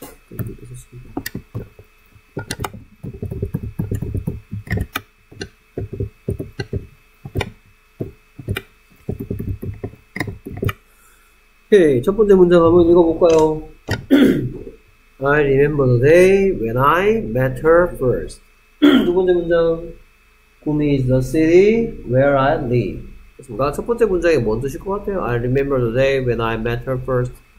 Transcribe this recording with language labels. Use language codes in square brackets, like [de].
[ko] 이렇게 썼습니다. 오케이, 첫 번째 문장 한번 읽어볼까요? [en] I remember the day when I met her first. [ko] 두 번째 문장. [en] Gumi is the city where I live. [ko] 그러니까 첫 번째 문장이 뭔 뜻일 것 같아요? [en] I remember the day when I met her first.